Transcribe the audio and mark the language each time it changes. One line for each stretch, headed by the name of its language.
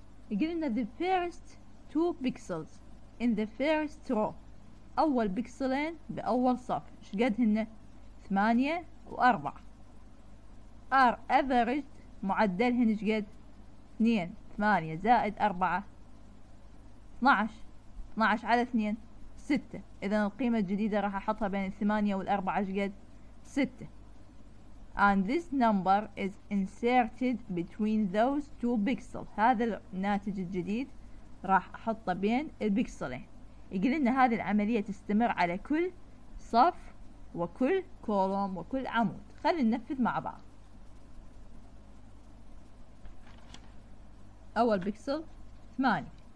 Arabic: يقول لنا
English: the first two pixels in the first row،
Arabic: أول بكسلين بأول صف، شقد هن؟ 8 و4.
English: are averaged،
Arabic: معدلهن شقد؟ 2 8 زائد 4 12 12 على 2 6. إذا القيمة الجديدة راح أحطها بين 8 و4 شقد؟ 6.
English: And this number is inserted between those two pixels.
Arabic: هذا الناتج الجديد راح أحطه بين البكسلين. يقول لنا هذه العملية تستمر على كل صف وكل كولوم وكل عمود. خلينا ننفذ مع بعض. أول بكسل 8.